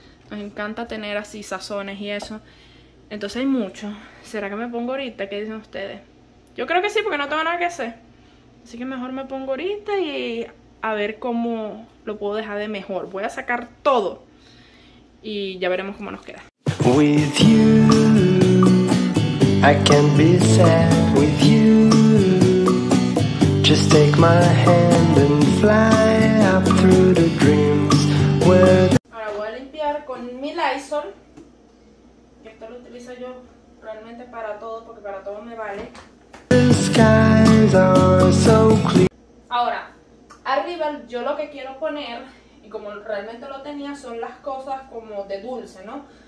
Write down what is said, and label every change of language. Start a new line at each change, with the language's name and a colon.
Spanish: Nos encanta tener así sazones y eso. Entonces hay mucho. ¿Será que me pongo ahorita? ¿Qué dicen ustedes? Yo creo que sí, porque no tengo nada que hacer. Así que mejor me pongo ahorita y a ver cómo lo puedo dejar de mejor. Voy a sacar todo y ya veremos cómo nos queda.
English: With you, I can be sad with you. Just take my hand and fly up through the dreams.
Spanish: Ahora voy a limpiar con mi Lysol. Esto lo utilizo yo realmente para todo, porque para todo me vale.
English: The skies are so clear.
Spanish: Ahora, arriba yo lo que quiero poner, y como realmente lo tenía, son las cosas como de dulce, ¿no?